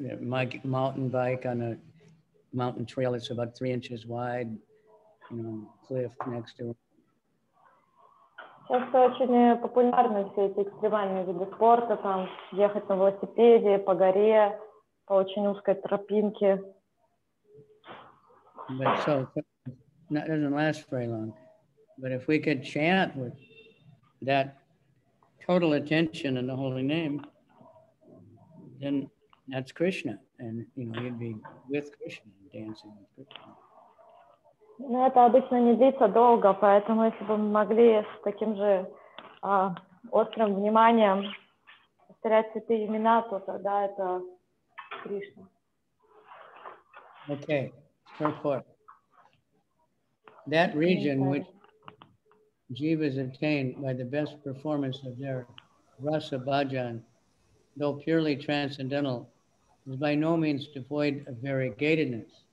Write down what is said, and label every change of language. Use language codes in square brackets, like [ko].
[en] My mountain bike on a mountain trail, it's about 3 inches wide, you know, cliff next to it. [ru] Сейчас очень популярны все эти экстремальные виды спорта, там ехать на велосипеде, по горе, по очень узкой тропинке. [en] But so, that doesn't last very long. But if we could chant with that total attention and the holy name, then that's Krishna. And, you know, you'd be with Krishna, dancing with Krishna. [ru] Но это обычно не длится долго, поэтому если бы мы могли с таким же острым вниманием повторять святые имена, то тогда это Кришна. [en] Okay, report. That region which jivas attain by the best performance of their rasa bhajan, though purely transcendental, is by no means devoid of variegatedness.